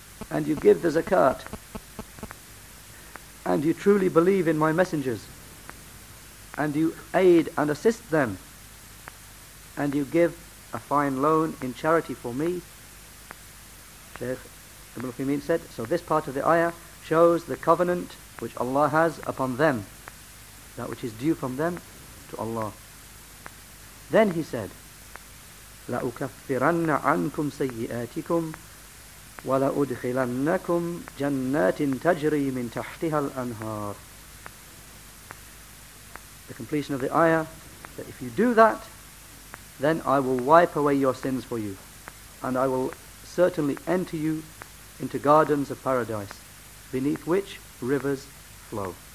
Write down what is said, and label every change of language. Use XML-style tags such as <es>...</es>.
<en>and you give the zakat, and you truly believe in my messengers, and you aid and assist them, and you give a fine loan in charity for me, Shaykh Ibn Uthaymeen said, so this part of the ayah shows the covenant which Allah has upon them, that which is due from them to Allah. Then he said,</en> <ar>لَأُكَفِّرَنَّ عَنْكُمْ سَيِّئَاتِكُمْ وَلَأُدْخِلَنَّكُمْ جَنَّاتٍ تَجْرِي مِنْ تَحْتِهَا الْأَنْهَارِ.</ar> <en>The completion of the ayah, that if you do that, then I will wipe away your sins for you, and I will certainly enter you into gardens of paradise, beneath which rivers flow.</en>